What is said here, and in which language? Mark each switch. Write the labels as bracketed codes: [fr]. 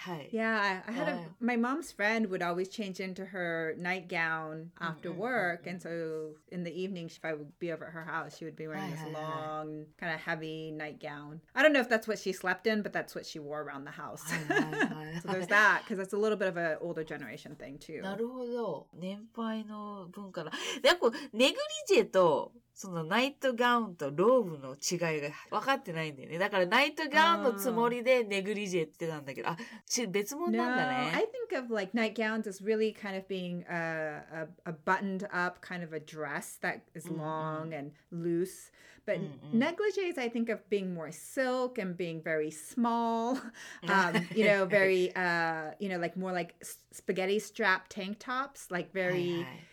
[en] Yeah, I had my mom's friend would always change into her nightgown after work. And so in the evening, if I would be over at her house, she would be wearing this long kind of heavy nightgown. I don't know if that's what she slept in, but that's what she wore around the house. So there's that, because that's a little bit of an older generation thing too. [ja] なるほど。年配の文化だ。やっぱ、ネグリジェと、そのナイトガウンとローブの違いが分かってないんだよね。だからナイトガウンのつもりでネグリジェってたんだけど、別物なんだね。 [en] No, I think of like nightgowns as really kind of being a buttoned up kind of a dress that is long and loose. But negligees, I think of being more silk and being very small, you know, very, you know, like more like spaghetti strap tank tops, like very...